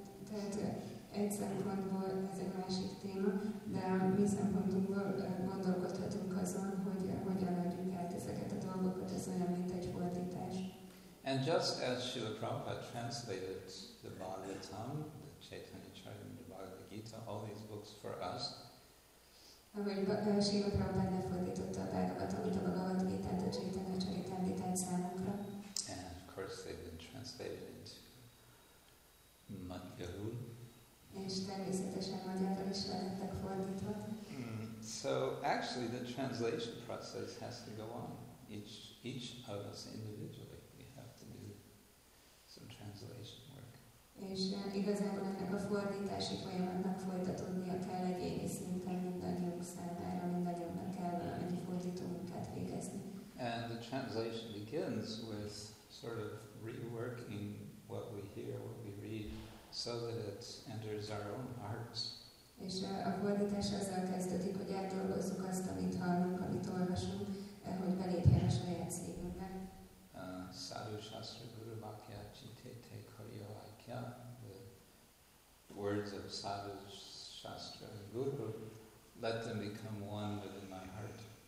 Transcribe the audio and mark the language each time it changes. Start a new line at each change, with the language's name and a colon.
Hungarian: Tehát egy szempontból ez egy másik téma, de mi szempontunkból gondolkodhatunk azon, hogy hogyan adjuk át ezeket a dolgokat, ez olyan, mint egy fordítás.
English: And just as Srila Prabhupada translated the Bhagavatam, the Chaitanya Charitamrita, the Bhagavad Gita, all these books for us,
Hungarian: ahogy Srila Prabhupada lefordította a Bhagavatamot, a Bhagavad Gita-t, a Chaitanya Charitamrita számunkra,
English: course they've been translated into Magyarul.
Hungarian: És természetesen magyarul is lettek fordítva.
English: So actually the translation process has to go on. Each of us individually, we have to do some translation work.
Hungarian: És igazából ennek a fordítási folyamatnak folytatódnia kell egyéni szinten mindannyiunk számára, mindannyiunknak kell valamennyi fordító munkát végezni.
English: And the translation begins with sort of reworking what we hear, what we read, so that it enters our own hearts.
Hungarian: És a fordítás azzal kezdődik, hogy átdolgozzuk azt, amit hallunk, amit olvasunk, hogy belépjen a saját szívünkbe.
Bangla: Sadhu Shastra Guru Vakya Chintete Kariyo Akya,
English: the words of Sadhu Shastra Guru, let them become one within my heart.